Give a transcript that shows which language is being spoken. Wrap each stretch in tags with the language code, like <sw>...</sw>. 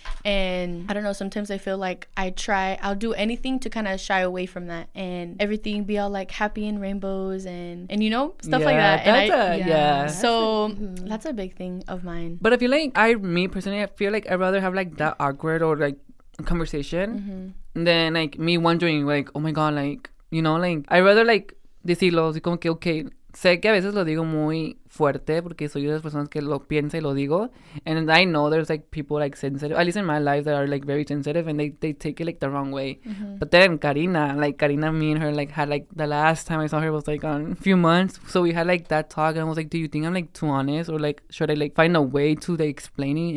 <en>And I don't know, sometimes I feel like I'll do anything to kind of shy away from that and everything be all like happy and rainbows and you know, stuff yeah, like that. That's I, a, yeah. yeah. So that's a big thing of mine. But I feel like I feel like I'd rather have like that awkward or like conversation than like me wondering like, oh my God, like, you know, like I'd rather like</en> <es>decirlo, así como que,</es> <en>okay.</en> <es>Sé que a veces lo digo muy fuerte porque soy de las personas que lo piensa y lo digo.</es> <en>And I know there's like people like sensitive, at least in my life, that are like very sensitive and they take it like the wrong way. Mm-hmm. But then Karina, me and her like had like the last time I saw her was like on a few months. So we had like that talk and I was like, do you think I'm like too honest or like should I like find a way to like explain it?</en>